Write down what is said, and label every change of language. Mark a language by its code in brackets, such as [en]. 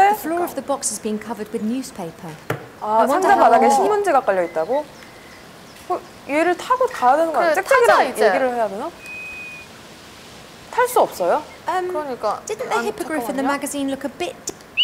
[en] The floor of the box has been covered with newspaper. [ko] 아, 상자 바닥에 신문지가 깔려 있다고? 얘를 타고 가야 되는 거야? 잭잭이랑 얘기를 해야 되나? 탈 수 없어요? 그러니까 [en] didn't the hippogriff in the magazine look a bit?